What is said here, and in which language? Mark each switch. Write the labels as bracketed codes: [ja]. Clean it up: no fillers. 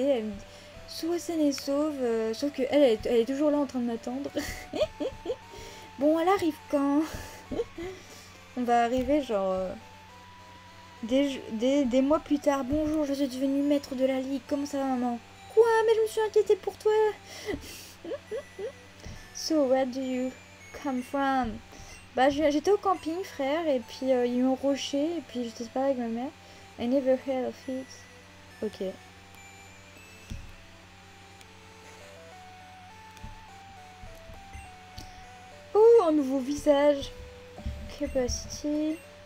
[fr] Elle me dit, sois saine et sauve. Sauf que elle est toujours là en train de m'attendre. Bon, elle arrive quand? On va arriver, genre. Des mois plus tard, bonjour, je suis devenu maître de la ligue. Comment ça va, maman? Quoi? Mais je me suis inquiétée pour toi. [en] So, where do you come from? [fr] Bah, j'étais au camping, frère, et puis ils m'ont rushé, et puis j'étais pas avec ma mère. [en] I never heard of it. Ok. [fr] Oh, un nouveau visage. Capacity.